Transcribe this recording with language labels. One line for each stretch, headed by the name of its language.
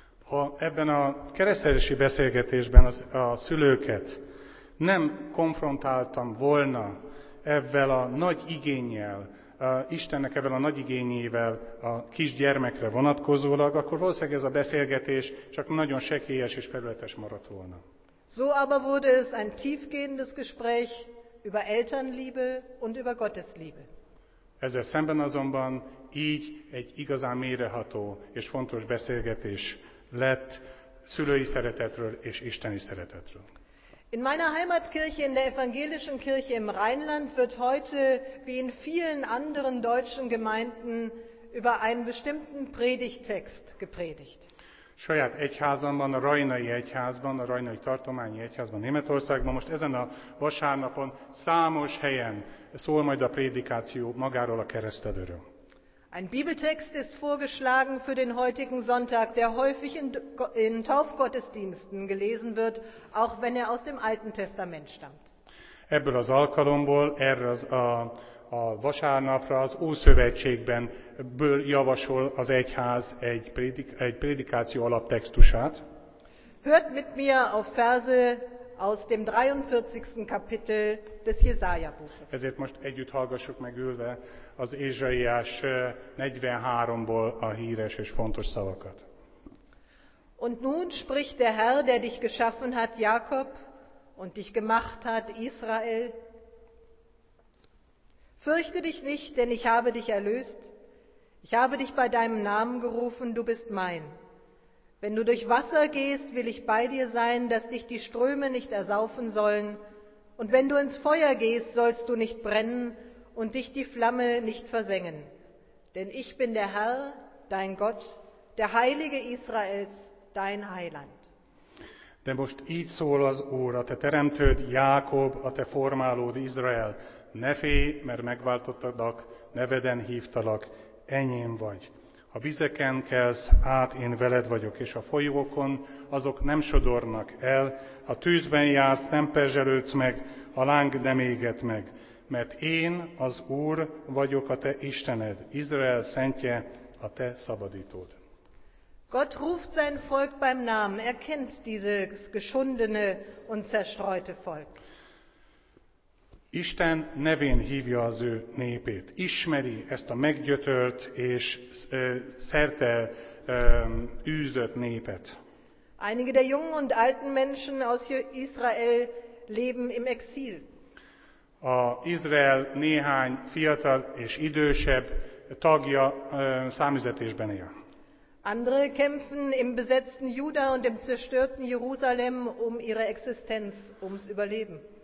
Hungarian: Ha ebben a keresztelési beszélgetésben a szülőket nem konfrontáltam volna ezzel a nagy igényel, Istennek ezzel a nagy igényével a kisgyermekre vonatkozólag, akkor valószínűleg ez a beszélgetés csak nagyon sekélyes és felületes maradt volna.
German: So aber wurde es ein tiefgehendes Gespräch über Elternliebe und über Gottesliebe.
Hungarian: Ezzel szemben azonban így egy igazán méreható és fontos beszélgetés lett szülői szeretetről és isteni szeretetről.
German: In meiner Heimatkirche, in der evangelischen Kirche im Rheinland, wird heute, wie in vielen anderen deutschen Gemeinden, über einen bestimmten Predigttext gepredigt.
Hungarian: Saját egyházamban, a Rajnai Egyházban, a Rajnai Tartományi Egyházban Németországban, most ezen a vasárnapon számos helyen szól majd a prédikáció magáról a keresztelőről.
German: Ein Bibeltext ist vorgeschlagen für den heutigen Sonntag, der häufig in Taufgottesdiensten gelesen wird, auch wenn er aus dem Alten Testament stammt.
Hungarian: Ebből az alkalomból, erre a vasárnapra az Ószövetségből javasol az egyház egy prédikáció alaptextusát.
German: Hört mit mir auf Verse aus dem 43. Kapitel des Jesaja-Buches.
Hungarian: Ezért most együtt hallgassuk meg ülve az Ézsaiás 43-ból a híres és fontos szavakat.
German: Und nun spricht der Herr, der dich geschaffen hat, Jakob, und dich gemacht hat, Israel. Fürchte dich nicht, denn ich habe dich erlöst. Ich habe dich bei deinem Namen gerufen, du bist mein. Wenn du durch Wasser gehst, will ich bei dir sein, dass dich die Ströme nicht ersaufen sollen. Und wenn du ins Feuer gehst, sollst du nicht brennen und dich die Flamme nicht versengen. Denn ich bin der Herr, dein Gott, der Heilige Israels, dein Heiland.
Hungarian: De most így szól az Úr, a te teremtőd, Jákob, a te formálód, Izrael. Ne félj, mert megváltottadak, neveden hívtalak, enyém vagy. A vizeken kelsz át, én veled vagyok, és a folyókon azok nem sodornak el, a tűzben jársz, nem perzselődsz meg, a láng nem éget meg, mert én az Úr vagyok a te Istened, Izrael szentje, a te szabadítód.
German: Gott ruft sein Volk beim Namen, er kennt dieses geschundene und zerstreute Volk.
Hungarian: Isten nevén hívja az ő népét. Ismeri ezt a meggyötört és szerte űzött népet.
German: Einige der jungen und alten Menschen aus Israel leben im Exil.
Hungarian: A Izrael néhány fiatal és idősebb tagja számüzetésben él.
German: Andere kämpfen im besetzten Juda und im zerstörten Jerusalem um ihre Existenz, ums Überleben.